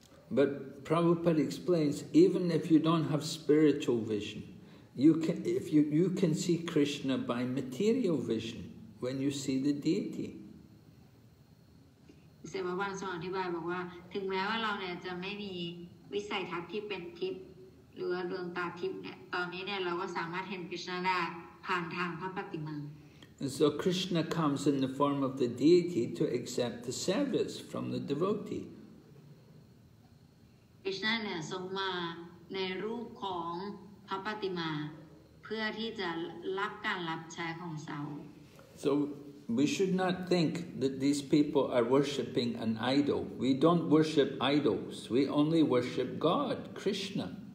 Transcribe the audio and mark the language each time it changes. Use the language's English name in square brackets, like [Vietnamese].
[English] But Prabhupada explains, even if you don't have spiritual vision, you can see Krishna by material vision when you see the deity. [Thai] เซบาวันทรงอธิบายบอกว่าถึงแม้ว่าเราเนี่ยจะไม่มีวิสัยทัศน์ที่เป็นทิพย์หรือดวงตาทิพย์เนี่ยตอนนี้เนี่ยเราก็สามารถเห็นคริชนาได้ผ่านทางพระปฏิมา [English] And so Krishna comes in the form of the deity to accept the service from the devotee. [Thai] คริชนาเนี่ยทรงมาในรูปของพระปฏิมาเพื่อที่จะรับการรับใช้ของสาวก [English] So. We should not think that these people are worshipping an idol. We don't worship idols. We only worship God, Krishna.